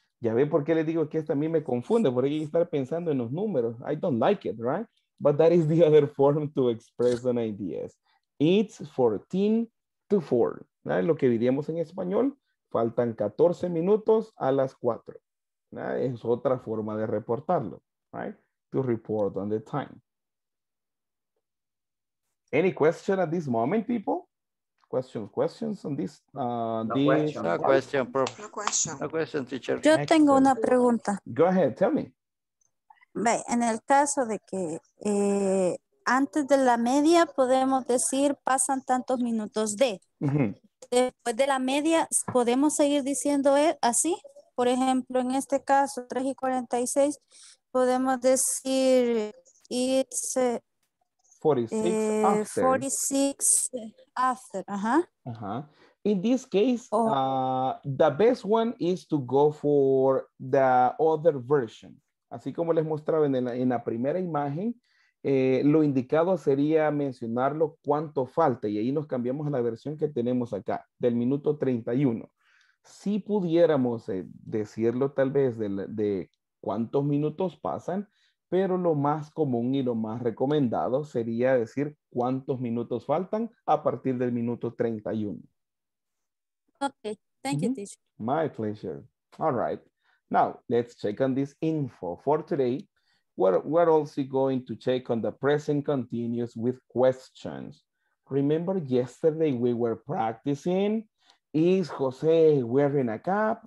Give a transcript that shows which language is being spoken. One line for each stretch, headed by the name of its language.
Spanish: Ya ve por qué le digo que esta a mí me confunde, porque hay que estar pensando en los números.
English: I don't like it, right? But that is the other form to express an idea. It's 14:04.
Spanish: ¿Vale? Lo que diríamos en español, faltan 14 minutos a las 4. ¿Vale? Es otra forma de reportarlo,
English: right? To report on the time. Any question at this moment, people? Questions on this? No question, teacher.
Spanish: Yo tengo una pregunta.
English: Go ahead, tell me.
Spanish: Ve, en el caso de que antes de la media podemos decir pasan tantos minutos de. Mm-hmm. Después de la media podemos seguir diciendo así. Por ejemplo, en este caso 3:46. Podemos decir,
English: it's 46 after. In this case, the best one is to go for the other version.
Spanish: Así como les mostraba en la primera imagen, lo indicado sería mencionarlo cuánto falta. Y ahí nos cambiamos a la versión que tenemos acá, del minuto 31. Si pudiéramos decirlo tal vez de cuántos minutos pasan, pero lo más común y lo más recomendado sería decir cuántos minutos faltan a partir del minuto 31.
English: Okay, thank you, teacher. My pleasure. All right. Now, let's check on this info for today. We're also going to check on the present continuous with questions. Remember yesterday we were practicing, is Jose wearing a cap?